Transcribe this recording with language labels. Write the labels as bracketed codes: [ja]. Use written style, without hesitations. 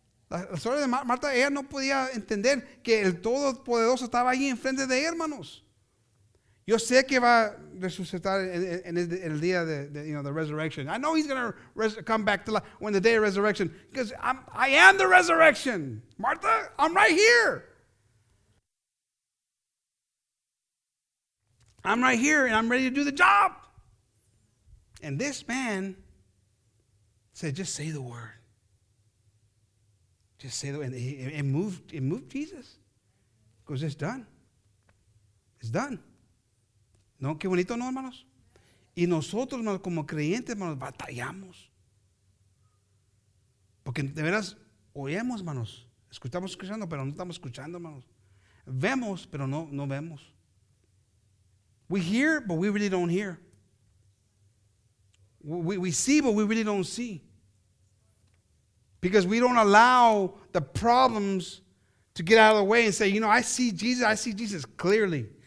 [es] La historia de Martha, ella no podía entender que el Todopoderoso estaba ahí enfrente de hermanos. Yo sé que va a resucitar en el día de resurrection. [en] I know he's going to come back to life when the day of resurrection. Because I am the resurrection. Martha, I'm right here. I'm right here and I'm ready to do the job. And this man said, just say the word. Just say the word. And it moved Jesus. Because it's done. It's done. [es] No, qué bonito, no, hermanos. Y nosotros, hermanos, como creyentes, hermanos, batallamos. Porque de veras oímos, hermanos. Estamos escuchando, pero no estamos escuchando, hermanos. Vemos, pero no vemos. [en] We hear, but we really don't hear. We see, but we really don't see. Because we don't allow the problems to get out of the way and say, you know, I see Jesus clearly.